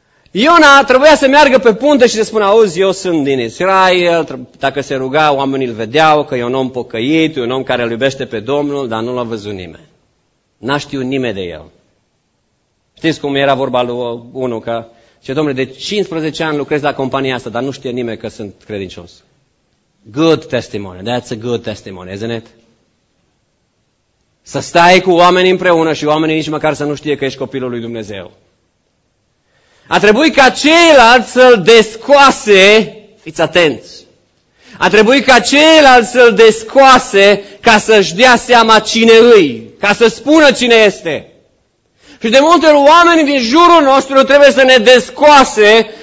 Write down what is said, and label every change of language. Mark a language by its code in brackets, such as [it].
[ro] Iona trebuia să meargă pe punte și să spună, auzi, eu sunt din Israel, dacă se ruga, oamenii îl vedeau că e un om pocăit, e un om care îl iubește pe Domnul, dar nu l-a văzut nimeni. N-a știut nimeni de el. Știți cum era vorba lui unul, că zice, domnule, de 15 ani lucrez la compania asta, dar nu știe nimeni că sunt credincios. [en] Good testimony, that's a good testimony, isn't it? [ro] Să stai cu oamenii împreună și oamenii nici măcar să nu știe că ești copilul lui Dumnezeu. A trebuit ca ceilalți să-l descoase, fiți atenți, a trebuit ca ceilalți să-l descoase ca să-și dea seama cine îi, ca să spună cine este. Și de multe ori oamenii din jurul nostru trebuie să ne descoase